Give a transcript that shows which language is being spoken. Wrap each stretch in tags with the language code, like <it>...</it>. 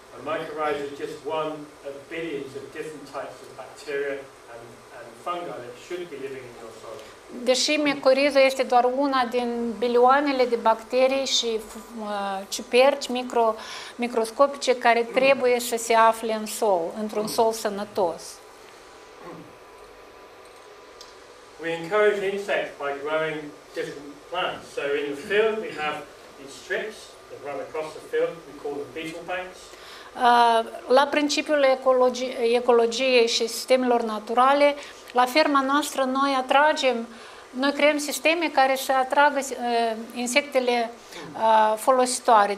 <en>Mycorrhiza is just one of billions of different types of bacteria and fungi that should be living in your soil.</en> <ro>Deși micoriza este doar una din bilioanele de bacterii și ciuperci microscopice care trebuie să se afle în sol, într-un sol sănătos.</ro> <en>We encourage insects by growing different plants. So in the field we have these strips that run across the field. We call them beetle banks.</en> <ro>La principiul ecologiei și sistemelor naturale, la ferma noastră noi atragem, noi creăm sisteme care să atragă insectele folositoare.</ro>